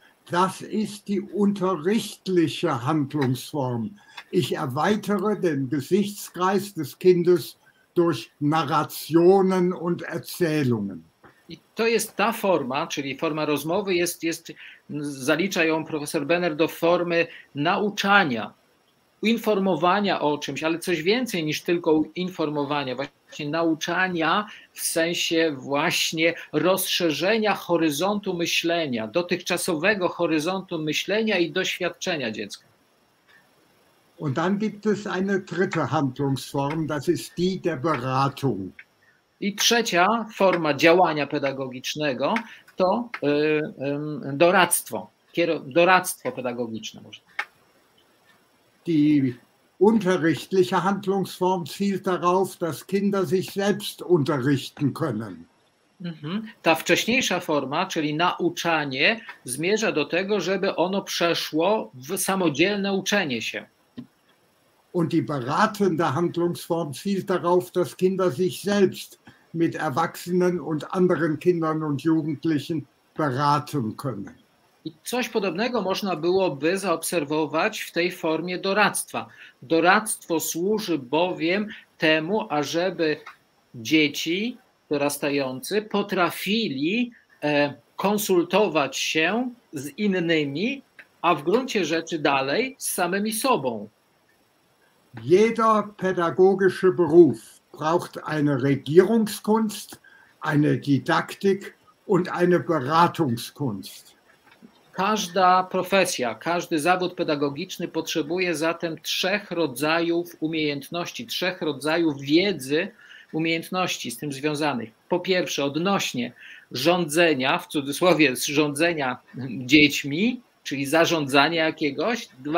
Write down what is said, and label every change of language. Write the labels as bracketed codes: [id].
[de] Das ist die unterrichtliche Handlungsform. Ich erweitere den Gesichtskreis des Kindes durch Narrationen und Erzählungen. [pl] I to jest ta forma, czyli forma rozmowy, zalicza ją profesor Benner do formy nauczania. informowania o czymś, ale coś więcej niż tylko informowania, właśnie nauczania w sensie właśnie rozszerzenia horyzontu myślenia, dotychczasowego horyzontu myślenia i doświadczenia dziecka. [de] Und dann gibt es eine dritte Handlungsform, das ist die der Beratung. [pl] I trzecia forma działania pedagogicznego to doradztwo, doradztwo pedagogiczne może. [de] Die unterrichtliche Handlungsform zielt darauf, dass Kinder sich selbst unterrichten können. [pl] Ta wcześniejsza forma, czyli nauczanie, zmierza do tego, żeby ono przeszło w samodzielne uczenie się. [de] Und die beratende Handlungsform zielt darauf, dass Kinder sich selbst mit Erwachsenen und anderen Kindern und Jugendlichen beraten können. [pl] I coś podobnego można byłoby zaobserwować w tej formie doradztwa. Doradztwo służy bowiem temu, ażeby dzieci dorastający potrafili konsultować się z innymi, a w gruncie rzeczy dalej z samymi sobą. [de] Jeder pedagogische Beruf braucht eine Regierungskunst, eine Didaktik und eine Beratungskunst. [pl] Każda profesja, każdy zawód pedagogiczny potrzebuje zatem trzech rodzajów umiejętności, trzech rodzajów wiedzy, umiejętności z tym związanych. Po pierwsze, odnośnie rządzenia, w cudzysłowie rządzenia dziećmi, czyli zarządzania jakiegoś.